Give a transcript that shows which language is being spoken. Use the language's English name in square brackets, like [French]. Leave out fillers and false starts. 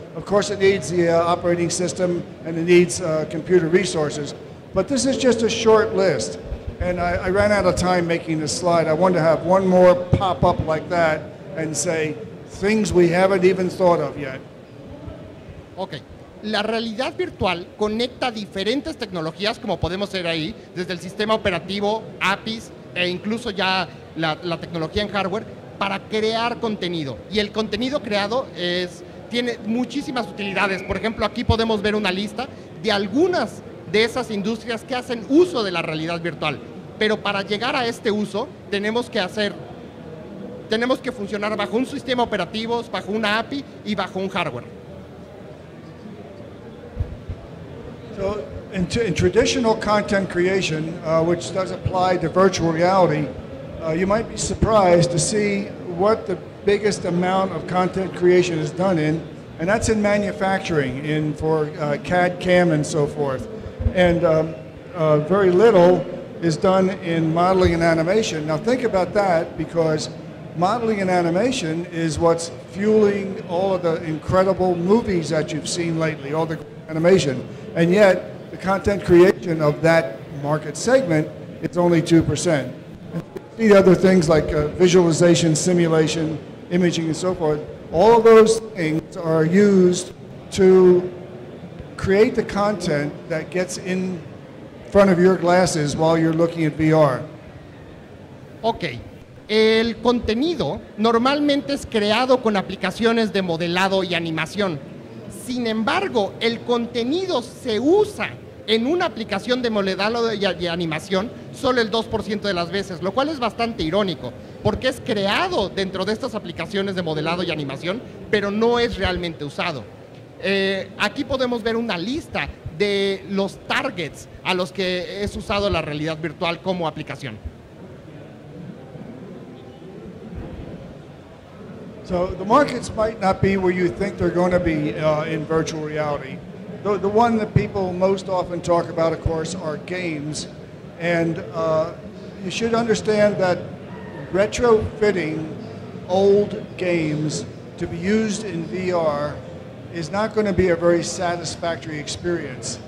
[English] Of course, it needs the operating system, and it needs computer resources, but this is just a short list, and I ran out of time making this slide. I wanted to have one more pop up like that and say things we haven't even thought of yet. [Spanish] Ok, la realidad virtual conecta diferentes tecnologías, como podemos ver ahí, desde el sistema operativo, APIs, e incluso ya la tecnología en hardware para crear contenido. Y el contenido creado es, tiene muchísimas utilidades. Por ejemplo, aquí podemos ver una lista de algunas de esas industrias que hacen uso de la realidad virtual. Pero para llegar a este uso, tenemos que funcionar bajo un sistema operativo, bajo una API y bajo un hardware. [English] So, in traditional content creation, which does apply to virtual reality, you might be surprised to see what the biggest amount of content creation is done in, and that's in manufacturing, in for CAD, CAM, and so forth. And very little is done in modeling and animation. Now think about that, because modeling and animation is what's fueling all of the incredible movies that you've seen lately, all the animation. And yet, the content creation of that market segment is only 2%. The other things like visualization, simulation, imaging, and so forth, all of those things are used to create the content that gets in front of your glasses while you're looking at VR. Okay. [Spanish] El contenido normalmente es creado con aplicaciones de modelado y animación. Sin embargo, el contenido se usa en una aplicación de modelado y animación solo el 2% de las veces, lo cual es bastante irónico, porque es creado dentro de estas aplicaciones de modelado y animación, pero no es realmente usado. Aquí podemos ver una lista de los targets a los que es usado la realidad virtual como aplicación. [English] So the markets might not be where you think they're going to be in virtual reality. The one that people most often talk about, of course, are games. And you should understand that retrofitting old games to be used in VR is not going to be a very satisfactory experience.